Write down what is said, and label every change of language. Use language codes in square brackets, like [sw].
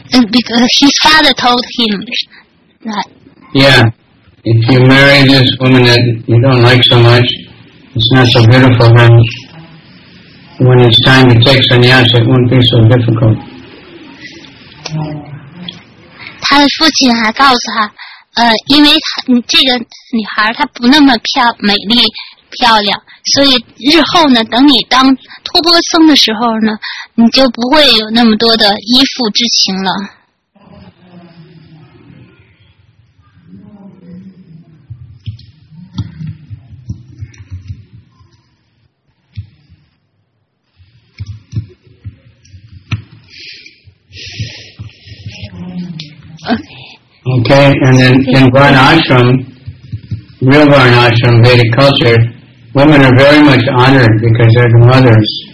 [en] Because his father told him that. Yeah, if you marry this woman that you don't like so much, it's not so beautiful then. When it's time to take sannyas, it won't be so difficult. [zh] 他的父亲还告诉他，因为这个女孩她不那么美丽漂亮，所以日后呢，等你当托钵僧的时候呢，你就不会有那么多的依附之情了. Okay, [en] and then in Varnashram, real Varnashram, Vedic culture, women are very much honored because they're the mothers.